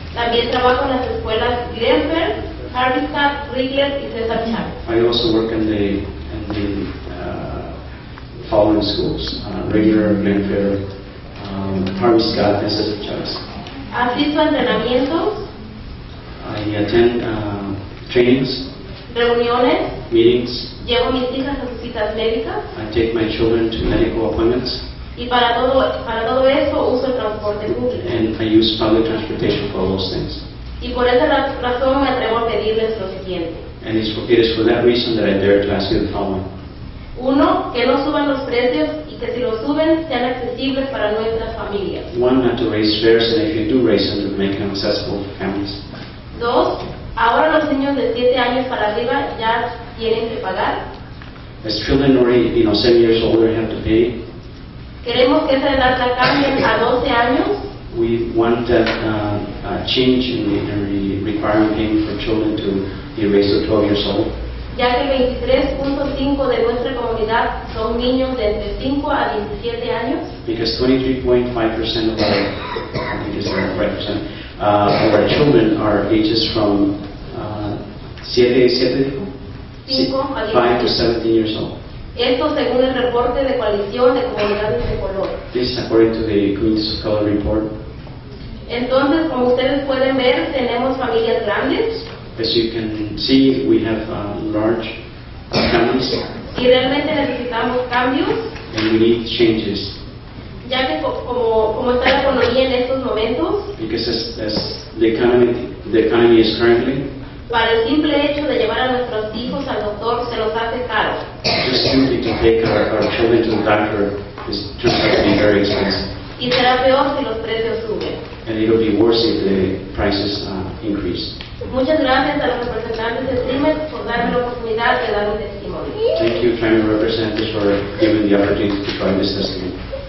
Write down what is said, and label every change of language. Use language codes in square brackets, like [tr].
[es] También trabajo en las escuelas Greenberg, Harvard, Riegel y César Chávez. [en] I also work in the the following schools, Regular, Manfair, Harvey Scott, and Cesar Chavez. [es] ¿Asisto a entrenamientos? [en] I attend trainings. [es] ¿Reuniones? [en] Meetings. [es] ¿Llevo mis hijas a sus citas médicas? [en] I take my children to medical appointments. [es] ¿Y para todo eso uso el transporte público? [en] And I use public transportation for all those things. [es] Y por esa razón me atrevo a pedirles lo siguiente. [en] And it is for that reason that I dare to ask you the following. [es] Uno, que no suban los precios y que si los suben sean accesibles para nuestras familias. [en] One, not to raise fares, and if you do raise them, to make them accessible for families. [es] Dos, ahora los niños de 7 años para arriba ya tienen que pagar. [en] As children already, 7 years older have to pay. [es] Queremos que esa edad la cambien a 12 años. [en] We want that change in the requirement aim for children to be raised to 12 years old. [es] Ya que 23.5 de nuestra comunidad son niños de entre 5 a 17 años. [en] Because 23.5% of our, I think it's the right percent, of our children are ages from 5 to 17 years old. [es] Esto según el reporte de coalición de comunidades de color. [en] This is according to the Communities of Color report. [es] Entonces, como ustedes pueden ver, tenemos familias grandes. [en] As you can see, we have large families. [es] Y realmente necesitamos cambios. [en] And we need changes. [es] Ya que como está la economía en estos momentos. [en] Because as the economy is currently. [es] Para el simple hecho de llevar a nuestros hijos al doctor se nos hace caro. [en] Just simply to take our children to the doctor is just going to be very expensive. [es] Y será peor si los precios suben. [en] And it will be worse if the prices increase. [es] Muchas gracias a los representantes de Trimet por darme la oportunidad de dar un testimonio. [en] Thank you, Trimet representatives, for giving the opportunity to provide this testimony.